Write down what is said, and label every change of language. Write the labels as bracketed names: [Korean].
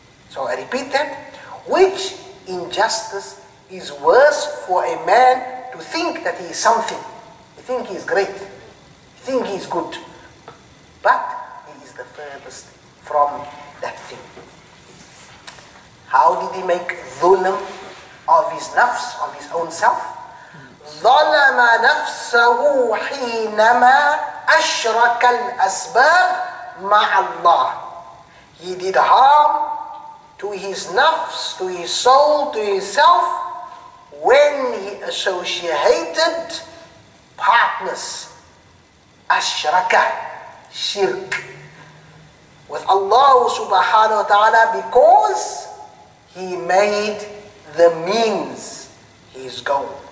[English] So I repeat that. Which injustice is worse for a man to think that he is something? He think he is great, he think he is good, but he is the furthest from that thing. How did he make dhulam of his nafs, of his own self? [Arabic] ظلم نفسه حينما أشرك الأسباب مع الله. [English] He did harm to his nafs, to his soul, to himself, when he associated partners, أشرك, shirk, with Allah subhanahu wa ta'ala, because he made the means his goal.